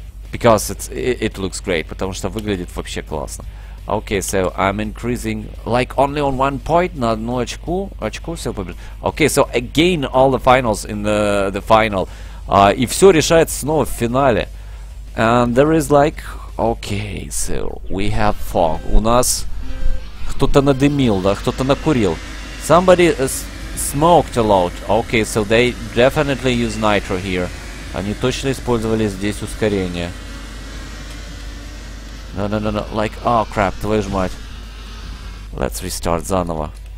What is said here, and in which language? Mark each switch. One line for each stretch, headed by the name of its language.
English: Because it looks great,
Russian: потому что выглядит вообще классно.
English: Okay, so I'm increasing, like only on one point,
Russian: на одну очку все побежит.
English: Okay, so again all the finals in the final.
Russian: И все решается снова в финале.
English: And there is like, okay, so we have fog.
Russian: У нас кто-то надымил, да, кто-то накурил.
English: Somebody smoked a lot. Okay, so they definitely use nitro here.
Russian: Они точно использовали здесь ускорение.
English: No. Like, oh crap,
Russian: твою ж мать.
English: Let's restart заново.